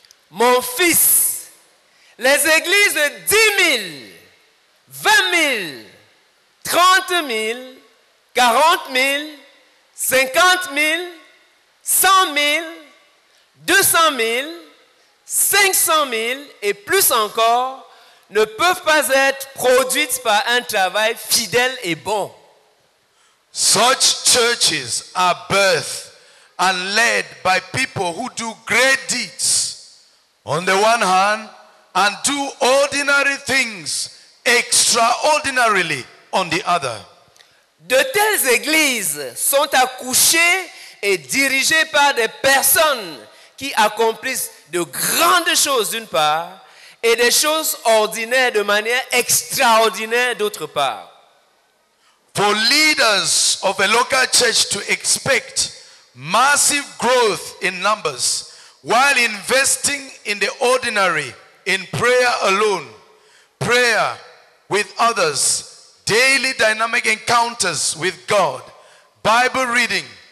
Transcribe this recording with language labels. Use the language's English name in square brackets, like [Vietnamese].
[French] Mon fils, les églises de 10,000, 20,000, 30,000, 40,000, 50,000, 100,000, 200,000, 500,000 et plus encore ne peuvent pas être produites par un travail fidèle et bon. [English] Such churches are birthed and led by people who do great deeds on the one hand and do ordinary things extraordinarily on the other. [French] De telles églises sont accouchées et dirigé par des personnes qui accomplissent de grandes choses d'une part et des choses ordinaires de manière extraordinaire d'autre part. [English] For leaders of a local church to expect massive growth in numbers while investing in the ordinary, in prayer alone, prayer with others, daily dynamic encounters with God, Bible reading,